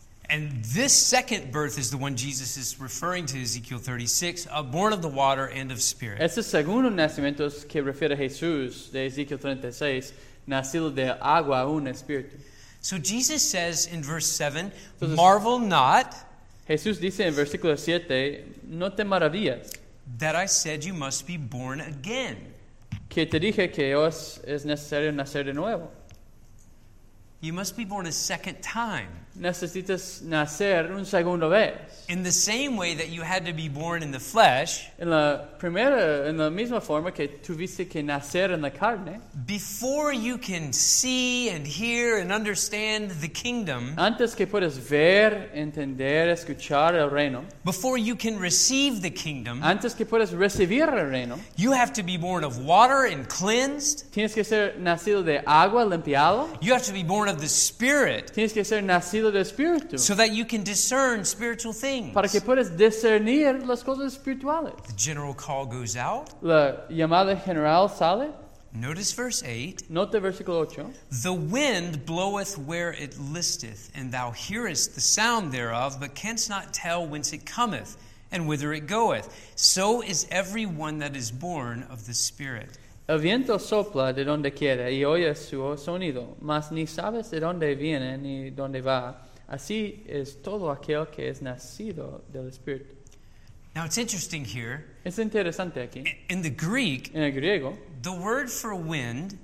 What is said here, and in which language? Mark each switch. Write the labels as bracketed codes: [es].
[en] And this second birth is the one Jesus is referring to, Ezekiel 36, born of the water and of spirit. [es] Este segundo nacimiento es que refiere a Jesús, de Ezekiel 36, nacido de agua y un espíritu. [en] So Jesus says in verse 7, entonces, marvel not. [es] Jesús dice en versículo 7, no te maravillas. [en] That I said you must be born again. [es] Que te dije que es necesario nacer de nuevo. [en] You must be born a second time. [es] Necesitas nacer un segundo vez. [en] In the same way that you had to be born in the flesh. [es] En la misma forma que tuviste que nacer en la carne. [en] Before you can see and hear and understand the kingdom. [es] Antes que puedas ver, entender, escuchar el reino. [en] Before you can receive the kingdom. [es] Antes que puedas recibir el reino. [en] You have to be born of water and cleansed. [es] Tienes que ser nacido de agua limpiado. [en] You have to be born of the Spirit. [es] Tienes que ser nacido. [en] So that you can discern spiritual things. [es] Para que puedas discernir las cosas espirituales. [en] The general call goes out. [es] La llamada general sale. [en] Notice verse 8. [es] Note versículo 8. [en] The wind bloweth where it listeth, and thou hearest the sound thereof, but canst not tell whence it cometh and whither it goeth. So is every one that is born of the Spirit. [es] El viento sopla de donde quiere y oye su sonido, mas ni sabes de dónde viene ni dónde va. Así es todo aquel que es nacido del Espíritu. [en] Now it's interesting here. [es] Es interesante aquí. [en] In the Greek, [es] en el griego, [en] the word for wind,